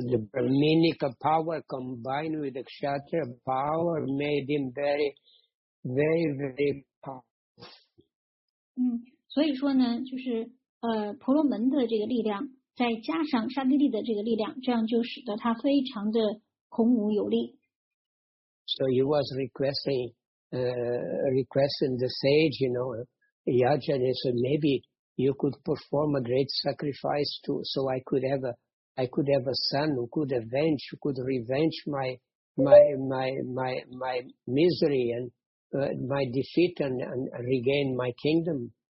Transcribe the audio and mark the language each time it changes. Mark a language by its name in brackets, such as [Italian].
[English] the Brahminic power combined with the Kshatriya power made him very, very, very powerful. [Chinese] 嗯，所以说呢，就是婆罗门的这个力量，再加上刹帝利的这个力量，这样就使得他非常的孔武有力。 [English] So he was requesting the sage, you know, Yaja, and he said, maybe you could perform a great sacrifice to, so I could have a son who could avenge, who could revenge my misery and my defeat and regain my kingdom.